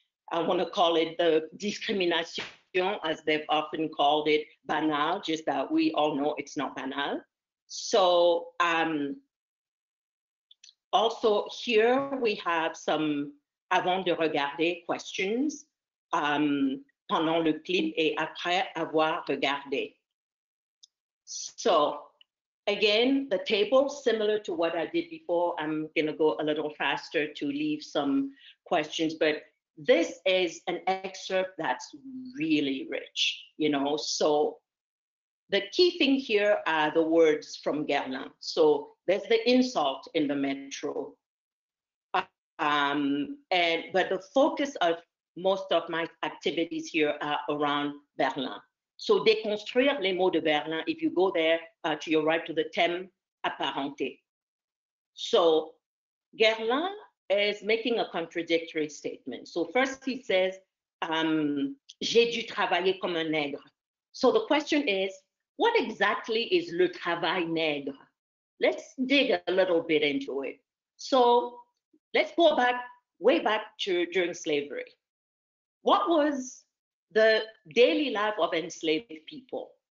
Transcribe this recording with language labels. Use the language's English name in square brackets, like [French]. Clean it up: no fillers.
[English] I want to call it the discrimination, as they've often called it, banal, just that we all know it's not banal. So, also here we have some [French] avant de regarder [English] questions [French] pendant le clip et après avoir regardé. [English] So again, the table, similar to what I did before, I'm gonna go a little faster to leave some questions, but this is an excerpt that's really rich, you know? So the key thing here are the words from Gerlin. So there's the insult in the metro. But the focus of most of my activities here are around Berlin. So [French] déconstruire les mots de Berlin, [English] if you go there to your right to the [French] thème apparenté. [English] So Gerlin is making a contradictory statement. So first he says, [French] j'ai dû travailler comme un nègre. [English] So the question is, what exactly is [French] le travail nègre? [English] Let's dig a little bit into it. So let's go back, way back to during slavery. What was the daily life of enslaved people?